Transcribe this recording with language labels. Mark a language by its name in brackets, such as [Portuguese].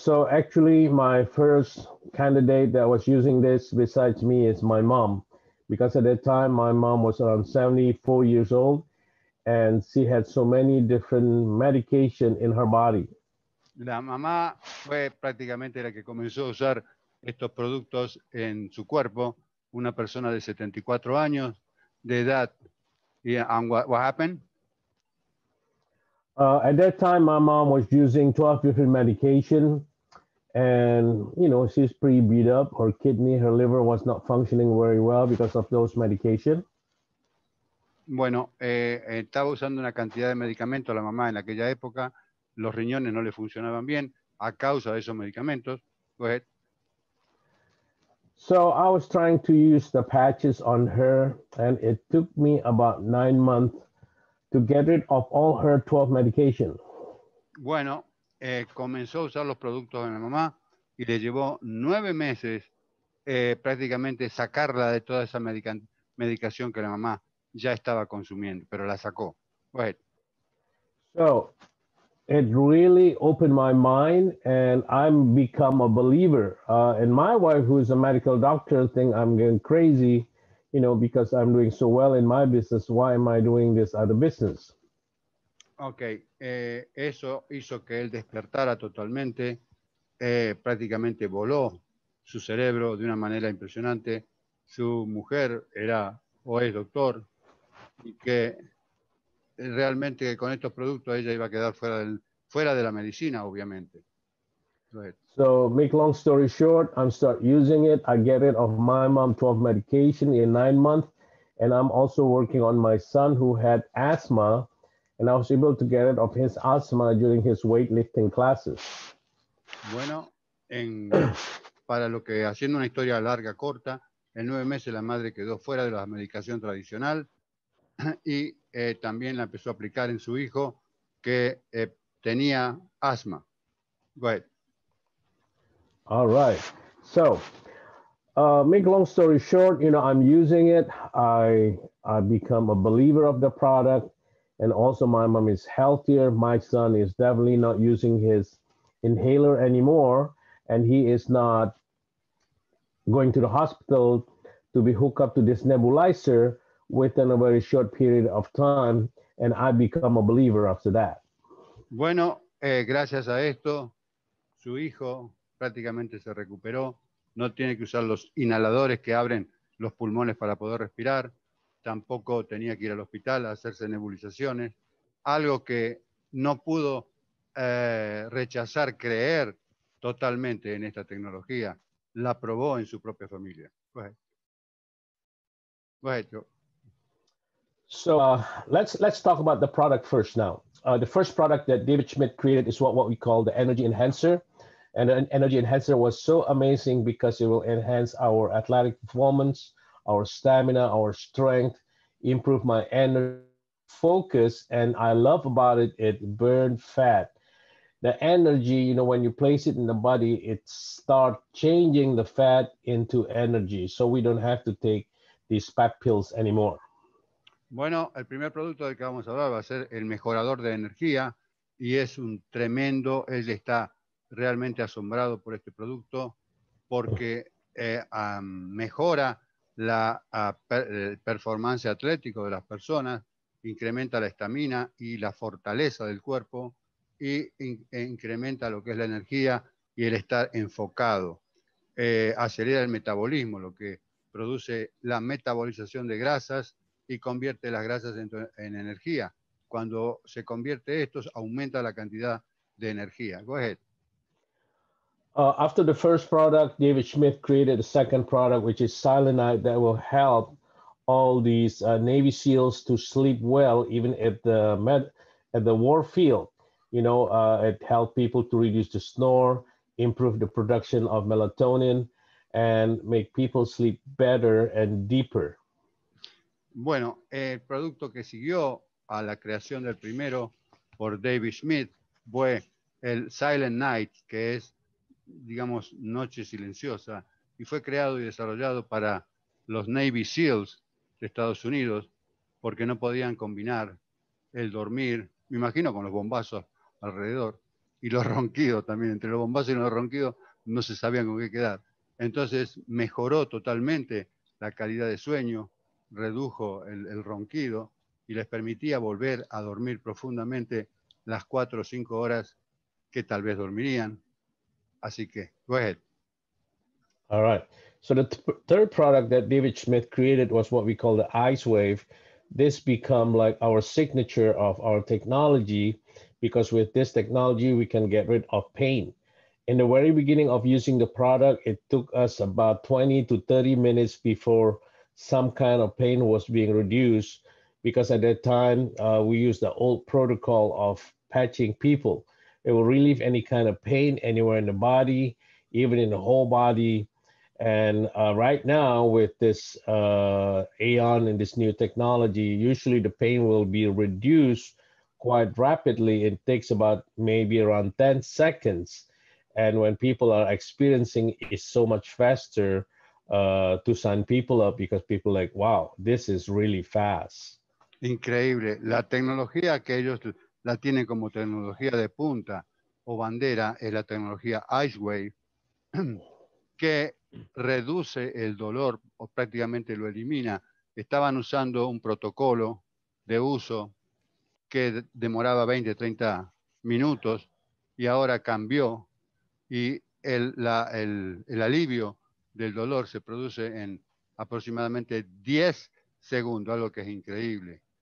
[English] So actually, my first candidate that was using this besides me is my mom, because at that time my mom was around 74 years old, and she had so many different medication in her body. [Spanish] La mamá fue prácticamente la que comenzó a usar estos productos en su cuerpo, una persona de 74 años de edad. [English] And what happened? At that time, my mom was using 12 different medication, and, you know, she's pretty beat up. Her kidney, her liver was not functioning very well because of those medication. [Spanish] Bueno, estaba usando una cantidad de medicamentos la mamá en aquella época. Los riñones no le funcionaban bien a causa de esos medicamentos. [English] Go ahead. So I was trying to use the patches on her, and it took me about 9 months to get rid of all her 12 medication. [Spanish] Bueno, comenzó a usar los productos de mi mamá y le llevó 9 meses prácticamente sacarla de toda esa medicación que la mamá ya estaba consumiendo, pero la sacó. [English] Go ahead. So, it really opened my mind, and I'm become a believer. And my wife, who is a medical doctor, think I'm going crazy. You know, because I'm doing so well in my business, why am I doing this other business? [Spanish] Okay, eso hizo que él despertara totalmente, prácticamente voló su cerebro de una manera impresionante. Su mujer era o es doctor, y que realmente con estos productos ella iba a quedar fuera de la medicina, obviamente. [English] So, make long story short, I'm start using it. I get it off my mom 12 medication in 9 months. And I'm also working on my son who had asthma. And I was able to get it off his asthma during his weightlifting classes. [Spanish] Bueno, para lo que haciendo una historia larga, corta, en 9 meses la madre quedó fuera de la medicación tradicional. Y también la empezó a aplicar en su hijo que tenía asthma. [English] Go ahead. All right. So, make long story short, you know, I'm using it. I become a believer of the product, and also my mom is healthier. My son is definitely not using his inhaler anymore, and he is not going to the hospital to be hooked up to this nebulizer within a very short period of time, and I become a believer after that. [Spanish] Bueno, gracias a esto, su hijo prácticamente se recuperó, no tiene que usar los inhaladores que abren los pulmones para poder respirar, tampoco tenía que ir al hospital a hacerse nebulizaciones, algo que no pudo rechazar, creer totalmente en esta tecnología, la probó en su propia familia. [English] Go ahead. So let's talk about the product first now. The first product that David Schmidt created is what we call the Energy Enhancer. And an energy enhancer was so amazing because it will enhance our athletic performance, our stamina, our strength, improve my energy, focus. And I love about it, it burned fat. The energy, you know, when you place it in the body, it starts changing the fat into energy. So we don't have to take these fat pills anymore. [Spanish] Bueno, el primer producto del que vamos a hablar va a ser el mejorador de energía. Y es un tremendo, él está realmente asombrado por este producto porque mejora la performance atlético de las personas, incrementa la estamina y la fortaleza del cuerpo y incrementa lo que es la energía y el estar enfocado. Acelera el metabolismo, lo que produce la metabolización de grasas y convierte las grasas en energía. Cuando se convierte esto, aumenta la cantidad de energía. [English] Go ahead. After the first product, David Schmidt created a second product, which is Silent Night, that will help all these Navy SEALs to sleep well, even at the war field. You know, it helped people to reduce the snore, improve the production of melatonin, and make people sleep better and deeper. [Spanish] Bueno, el producto que siguió a la creación del primero por David Smith fue el Silent Night, que es, digamos, noche silenciosa, y fue creado y desarrollado para los Navy SEALs de Estados Unidos, porque no podían combinar el dormir, me imagino, con los bombazos alrededor, y los ronquidos también, entre los bombazos y los ronquidos no se sabían con qué quedar. Entonces mejoró totalmente la calidad de sueño, redujo el ronquido y les permitía volver a dormir profundamente las 4 o 5 horas que tal vez dormirían. Así que, [English] go ahead. All right. So the third product that David Smith created was what we call the Ice Wave. This become like our signature of our technology, because with this technology, we can get rid of pain. In the very beginning of using the product, it took us about 20 to 30 minutes before some kind of pain was being reduced, because at that time, we used the old protocol of patching people. It will relieve any kind of pain anywhere in the body, even in the whole body. And right now with this Aeon and this new technology, usually the pain will be reduced quite rapidly. It takes about maybe around 10 seconds. And when people are experiencing it, it's so much faster to sign people up, because people are like, wow, this is really fast. [Spanish] Increíble. La tecnología que ellos la tienen como tecnología de punta o bandera es la tecnología Ice Wave, que reduce el dolor o prácticamente lo elimina. Estaban usando un protocolo de uso que demoraba 20, 30 minutos y ahora cambió, y el alivio del dolor se produce en aproximadamente 10 segundos, algo que es increíble.